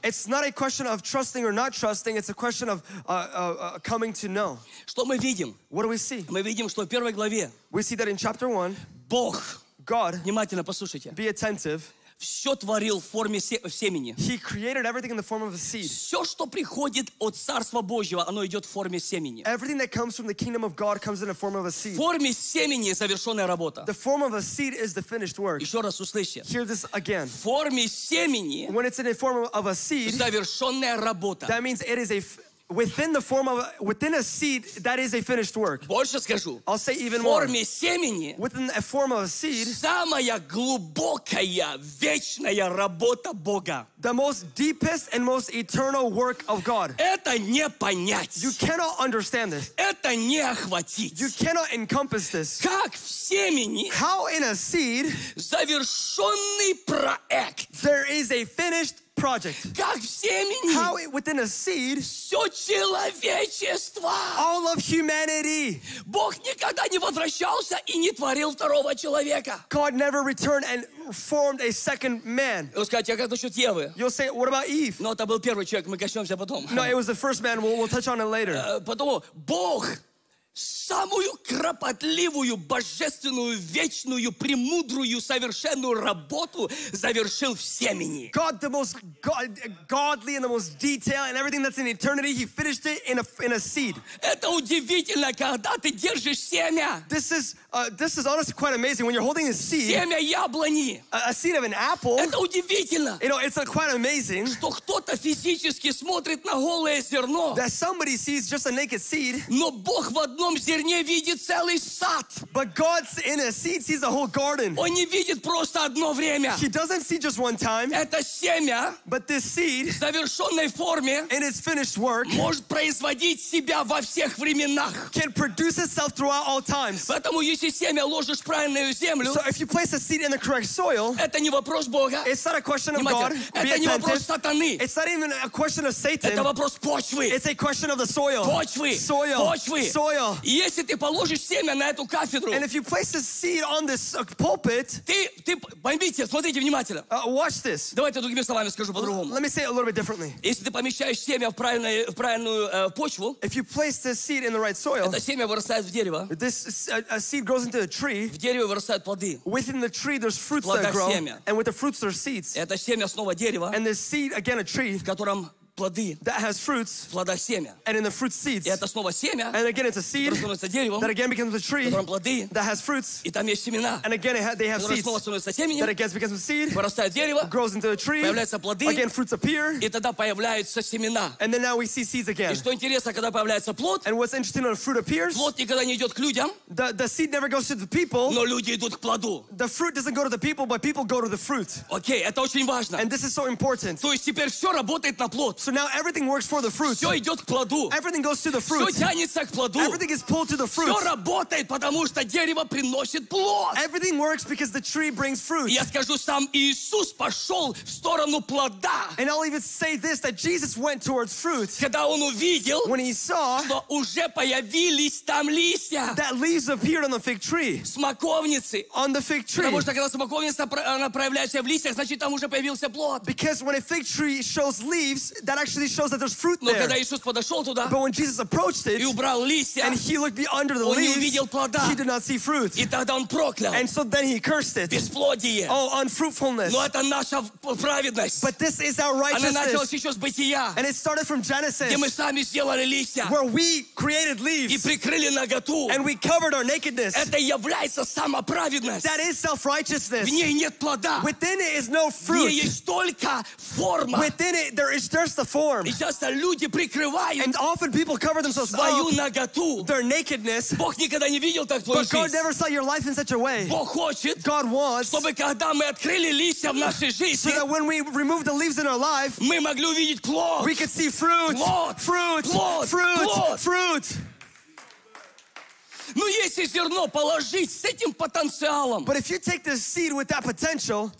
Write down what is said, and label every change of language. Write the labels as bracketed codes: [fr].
[en] It's not a question of trusting or not trusting. It's a question of coming to know. [ru] Что мы видим? [en] What do we see? [ru] Мы видим, что в первой главе. [en] We see that in chapter 1. [ru] Бог. [en] God, [ru] внимательно послушайте. [en] Be attentive. [ru] Все творил в форме семени. [en] He created everything in the form of a seed. [ru] Все, что приходит от Царства Божьего, оно идет в форме семени. [en] Everything that comes from the kingdom of God comes in the form of a seed. [ru] В форме семени завершенная работа. [en] The form of a seed is the finished work. [ru] Еще раз услышьте. [en] Hear this again. [ru] В форме семени. [en] When it's in the form of a seed. [ru] Завершенная работа. [en] That means it is a within the form of within a seed, that is a finished work. [ru] Больше скажу. [en] I'll say even more. [ru] В форме семени. [en] Within a form of a seed. [ru] Самая глубокая вечная работа Бога. [en] The most deepest and most eternal work of God. [ru] Это не понять. [en] You cannot understand this. [ru] Это не охватить. [en] You cannot encompass this. [ru] Как в семени? [en] How in a seed? [ru] Завершённый проект. [en] There is a finished project. [ru] Как в семени? [en] How within a seed? [ru] Всё человечество. [en] All of humanity. [ru] Бог никогда не возвращался и не творил второго человека. [en] God never returned and formed a second man. You'll say, what about Eve? [ru] Но это был первый человек. Мы коснёмся потом. [en] No, it was the first man. We'll touch on it later. [ru] Потому Бог самую кропотливую, божественную, вечную, премудрую, совершенную работу завершил в семени. [en] God, the most godly and the most detailed and everything that's in eternity, he finished it in a seed. [ru] Это удивительно, когда ты держишь семя. [en] This is honestly quite amazing. When you're holding a seed, [ru] семя яблони, [en] a seed of an apple, [ru] это удивительно. [en] You know, it's quite amazing [ru] что кто-то физически смотрит на голое зерно, [en] that somebody sees just a naked seed, [ru] но Бог в одном зерне видит целый сад. [en] But God in a seed sees a whole garden. [ru] Он не видит просто одно время. [en] He doesn't see just one time. [ru] Это семя, [en] but this seed, [ru] в завершенной форме, [en] in its finished work, [ru] может производить себя во всех временах. [en] Can produce itself throughout all times. [ru] Поэтому если семя ложишь правильную землю, [en] so if you place a seed in the correct soil, [ru] это не вопрос Бога. [en] It's not a question of God. [ru] Это не вопрос сатаны. [en] It's not even a question of Satan. [ru] Это вопрос почвы. [en] It's a question of the soil. [ru] Почвы. [en] Soil. [ru] Почвы. [en] Soil. [ru] Если ты положишь семя на эту кафедру, [en] and if you place a seed on this pulpit, [ru] ты поймите, смотрите внимательно. [en] Watch this. [ru] Давайте другими словами скажу по-другому. [en] Let me say it a little bit differently. [ru] Если ты помещаешь семя в правильную почву, [en] if you place the seed in the right soil, [ru] это семя вырастает в дерево. [en] This a seed grows into a tree. [ru] В дереве вырастают плоды. [en] Within the tree there's fruits [ru] Плода [en] that grow. [ru] Семя. [en] And with the fruits there's seeds. [ru] Это семя снова дерево. [en] And the seed again a tree. [ru] В котором плоды. [en] That has fruits. [ru] Плода семя. [en] And in the fruits seeds. [ru] И это снова семя. [en] And again it's a seed. [ru] Становится деревом. [en] That again becomes a tree. [ru] Которым плоды. [en] That has fruits. [ru] И там есть семена. [en] And again they have seeds. [ru] Снова становится семенем. [en] That again becomes a seed. [ru] Вырастает дерево. [en] Grows into a tree. [ru] Появляются плоды. [en] Again fruits appear. [ru] И тогда появляются семена. [en] And then now we see seeds again. [ru] И что интересно, когда появляется плод. [en] And what's interesting when a fruit appears. [ru] Плод никогда не идет к людям. [en] The seed never goes to the people. [ru] Но люди идут к плоду. [en] The fruit doesn't go to the people, but people go to the fruit. [ru] Окей, это очень важно. [en] And this is so important. [ru] То есть теперь все работает на плод. [en] So now everything works for the fruit. [ru] Все идет к плоду. [en] Everything goes to the fruit. [ru] Все тянется к плоду. [en] Everything is pulled to the fruit. [ru] Все работает, потому что дерево приносит плод. [en] Everything works because the tree brings fruit. [ru] Я скажу, сам Иисус пошел в сторону плода. [en] And I'll even say this, that Jesus went towards fruit. [ru] Когда он увидел, [en] when he saw, [ru] что уже появились там листья, [en] that leaves appeared on the fig tree. [ru] Смоковницы. [en] On the fig tree. [ru] Потому что когда смоковница она проявляется в листьях, значит там уже появился плод. [en] Because when a fig tree shows leaves, that actually shows that there's fruit there. [ru] Туда, [en] but when Jesus approached it, [ru] листья, [en] and he looked under the leaves, he did not see fruit. And so then he cursed it. [ru] Бесплодие. [en] Oh, unfruitfulness. But this is our righteousness. [ru] Бытия, [en] and it started from Genesis, [ru] листья, [en] where we created leaves, [ru] наготу, [en] and we covered our nakedness. That is self-righteousness. Within it is no fruit. Within it, there is dirt. The form. And often people cover themselves up, their nakedness. But God never saw your life in such a way. God wants so that when we remove the leaves in our life, we could see fruit. Fruit. Fruit. Fruit. Fruit. Fruit. [ru] Но если зерно положить с этим потенциалом, [en] but if you take this seed with that potential,